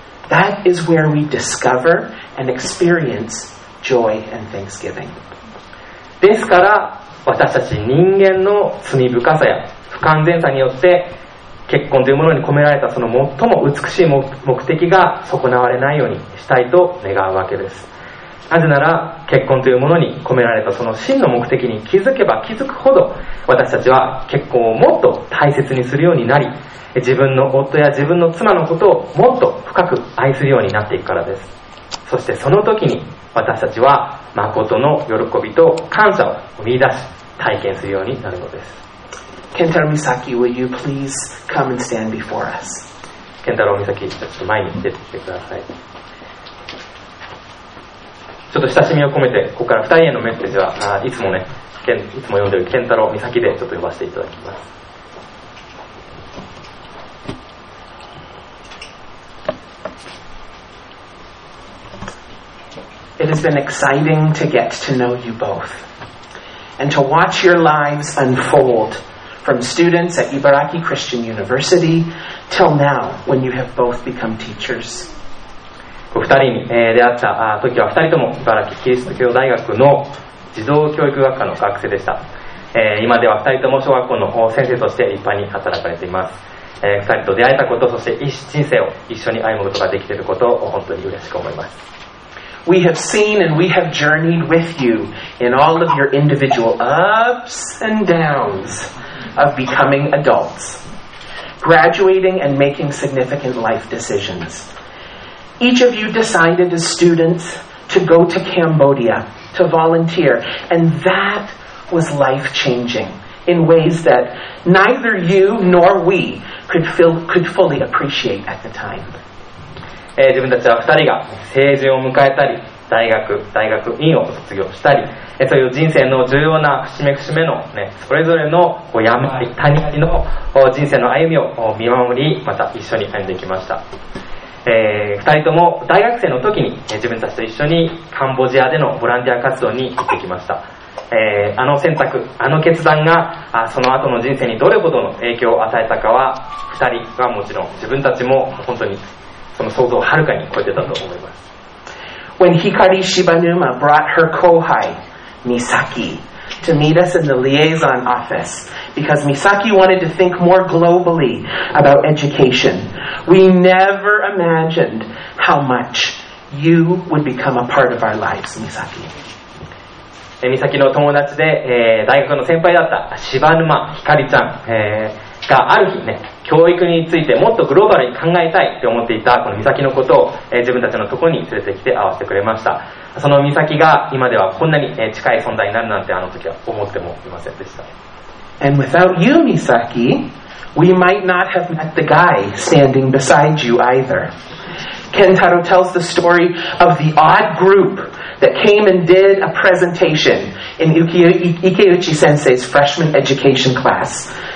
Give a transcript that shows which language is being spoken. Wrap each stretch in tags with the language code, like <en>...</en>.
<en>That is where we discover and experience joy and thanksgiving.</en> <ja>ですから、私たち人間の罪深さや不完全さによって、結婚というものに込められたその最も美しい目的が損なわれないようにしたいと願うわけです。なぜなら、結婚というものに込められたその真の目的に気づけば気づくほど、私たちは結婚をもっと大切にするようになり、自分の夫や自分の妻のことをもっと深く愛するようになっていくからです。そしてその時に、私たちは誠の喜びと感謝を生み出し、体験するようになるのです。</ja> <en>Kentaro Misaki, will you please come and stand before us?</en> <ja>Kentaro Misaki, ちょっと前に出てきてください。ちょっと親しみを込めて、ここから2人へのメッセージは、いつもね、いつも読んでる健太郎美咲でちょっと呼ばせていただきます。</ja> <en>It has been exciting to get to know you both and to watch your lives unfold from students at Ibaraki Christian University till now when you have both become teachers.</en> <ja>2人に出会った時は2人とも茨城キリスト教大学の児童教育学科の学生でした。今では2人とも小学校の先生として立派に働かれています。 2人と出会えたこと、そして人生を一緒に歩むことができていることを本当に嬉しく思います。</ja> <en>We have seen and we have journeyed with you in all of your individual ups and downs of becoming adults, graduating and making significant life decisionsEach of you decided as students to go to Cambodia to volunteer, and that was life-changing in ways that neither you nor we could fully appreciate at the time.</en> <ja>自分たちは二人が成人を迎えたり、大学院を卒業したり、そういう人生の重要な節目の、ね、それぞれの山あり谷ありの人生の歩みを見守り、また一緒に歩んできました。 2人とも大学生の時に、自分たちと一緒にカンボジアでのボランティア活動に行ってきました。あの選択、あの決断が、その後の人生にどれほどの影響を与えたかは、2人はもちろん自分たちも本当にその想像をはるかに超えてたと思います。</ja> <en>When Hikari Shibanuma brought her kohai Misaki to meet us in the liaison office because Misaki wanted to think more globally about educationWe never imagined how much you would become a part of our lives, Misaki.</en> <ja>Misaki の友達で、大学の先輩だった柴沼ひかりちゃん、がある日ね、教育についてもっとグローバルに考えたいって思っていたこの美咲のことを、自分たちのところに連れてきて会わせてくれました。その美咲が今ではこんなに近い存在になるなんてあの時は思ってもいませんでした。</ja> <en>And without you, Misaki, we might not have met the guy standing beside you either. Kentaro tells the story of the odd group that came and did a presentation in Ikeuchi Sensei's freshman education class.</en>